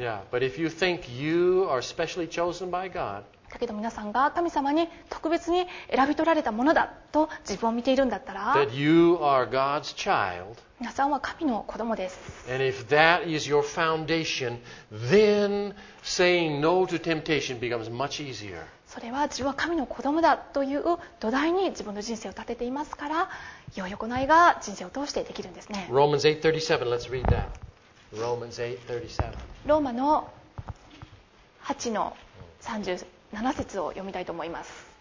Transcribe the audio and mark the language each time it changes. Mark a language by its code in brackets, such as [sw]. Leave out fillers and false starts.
[ja] だけど皆さんが神様に特別に選び取られたものだと自分を見ているんだったら、 [en] That you are God's child, [ja] 皆さんは神の子供です。 [en] And if that is your foundation, then saying no to temptation becomes much easier. [ja] それは自分は神の子供だという土台に自分の人生を立てていますから、良い行いが人生を通してできるんですね。 [en] Romans 8:37, let's read that. Romans 8:37. [ja] ローマの8の377節を読みたいと思います。